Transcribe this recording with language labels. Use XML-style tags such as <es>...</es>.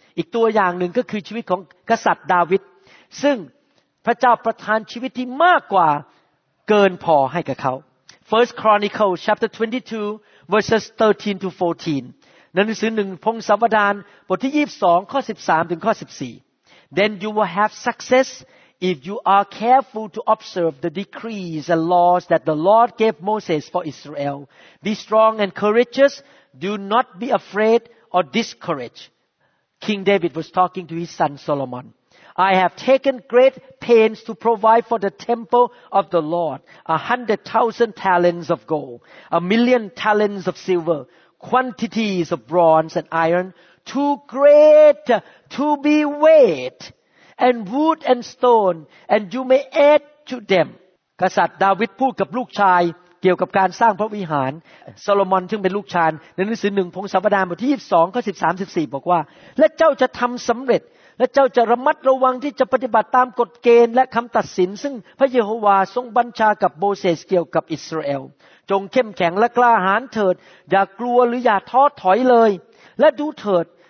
<th>อีกตัวอย่างหนึ่งก็คือชีวิตของกษัตริย์ดาวิดซึ่งพระเจ้าประทานชีวิตที่มากกว่าเกินพอให้กับเขา</th> <en>First Chronicles chapter 22 verses 13 to 14.</en> <th>นั่นหนังสือหนึ่งพงศาวดารบทที่22ข้อ13ถึงข้อ14.</th> <en>Then you will have success if you are careful to observe the decrees and laws that the Lord gave Moses for Israel. Be strong and courageous. Do not be afraid. Or discourage, King David was talking to his son Solomon. I have taken great pains to provide for the temple of the Lord 100,000 talents of gold, 1,000,000 talents of silver, quantities of bronze and iron, too great to be weighed, and wood and stone, and you may add to them.</en> <th>กษัตริย์ดาวิดพูดกับลูกชายเกี่ยวกับการสร้างพระวิหารโซโลมอนซึ่งเป็นลูกชายในหนังสือ1พงศาวดารบทที่22ข้อ13 14บอกว่าและเจ้าจะทำสำเร็จและเจ้าจะระมัดระวังที่จะปฏิบัติตามกฎเกณฑ์และคำตัดสินซึ่งพระเยโฮวาห์ทรงบัญชากับโมเสสเกี่ยวกับอิสราเอลจงเข้มแข็งและกล้าหาญเถิดอย่ากลัวหรืออย่าท้อถอยเลยและดูเถิด</th>